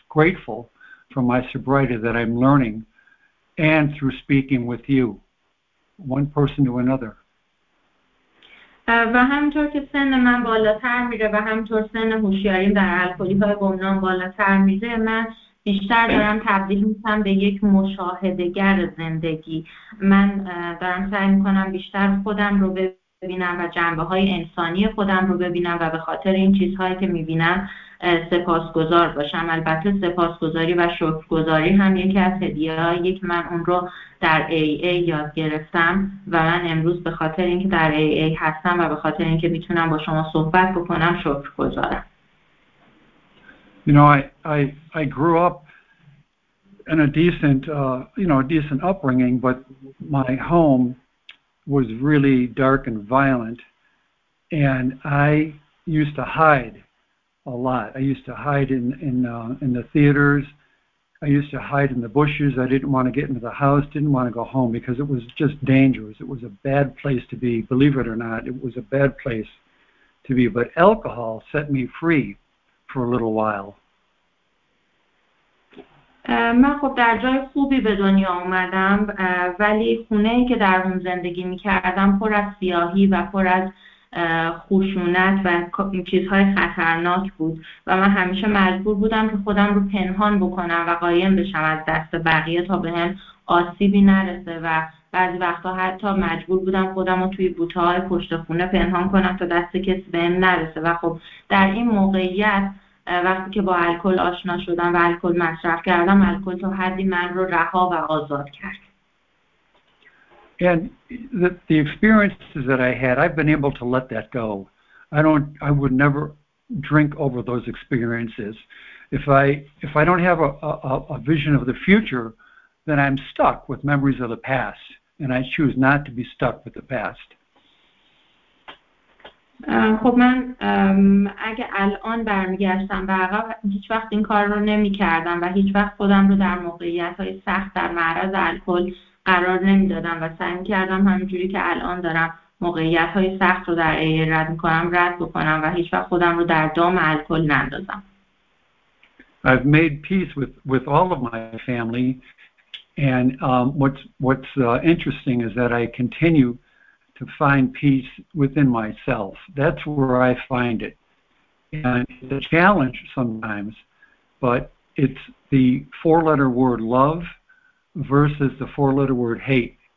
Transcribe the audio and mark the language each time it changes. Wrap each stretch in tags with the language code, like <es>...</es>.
<en>Grateful for my sobriety that I'm learning, and through speaking with you, one person to another.</en> <fa>و همینطور که سن من بالاتر میره و همینطور سن هوشیاریم در الکلی‌های گمنام بالاتر میره، من بیشتر دارم تبدیل میشم به یک مشاهده‌گر زندگی. من دارم سعی میکنم بیشتر خودم رو ببینم و جنبه های انسانی خودم رو ببینم و به خاطر این چیزهایی که میبینم سپاسگزار باشم. البته سپاسگزاری و شکرگزاری هم یکی از هدیه‌هایی که من اون رو در AA یاد گرفتم و من امروز به خاطر اینکه در AA هستم و به خاطر اینکه میتونم با شما صحبت بکنم شکرگزارم.</fa> <en>You know, I grew up in a decent decent upbringing, but my home was really dark and violent, and I used to hide a lot. I used to hide in the theaters. I used to hide in the bushes. I didn't want to get into the house, didn't want to go home because it was just dangerous. It was a bad place to be, believe it or not. It was a bad place to be, but alcohol set me free for a little while.</en> <fa>من خب در جای خوبی به دنیا اومدم، ولی خونه‌ای که در اون زندگی می‌کردم پر از سیاهی و پر از خشونت و چیزهای خطرناک بود و من همیشه مجبور بودم که خودم رو پنهان بکنم و قایم بشم از دست بقیه تا به هم آسیبی نرسه و بعضی وقتا حتی مجبور بودم خودم رو توی بوته‌های پشت خونه پنهان کنم تا دست کسی به هم نرسه. و خب در این موقعیت وقتی که با الکل آشنا شدم و الکل مصرف کردم، الکل تا حدی من رو رها و آزاد کرد.</fa> <en>And the experiences that I had, I've been able to let that go. I would never drink over those experiences. If I don't have a vision of the future, then I'm stuck with memories of the past, and I choose not to be stuck with the past.</en> <fa>خب من اگه الان برمیگشتم به عقب، هیچ وقت این کار رو نمی‌کردم و هیچ وقت خودم رو در موقعیت‌های سخت در معرض الکل قرار نمیدادم و سعی کردم همینجوری که الان دارم موقعیت های سخت رو در ای رد میکنم رد بکنم و هیچ وقت خودم رو در دام الکل نندازم.</fa> <en>I've made peace with all of my family, and what's interesting is that I continue to find peace within myself. That's where I find it. And it's a challenge sometimes, but it's the four-letter word love versus the four-letter word hate.</en>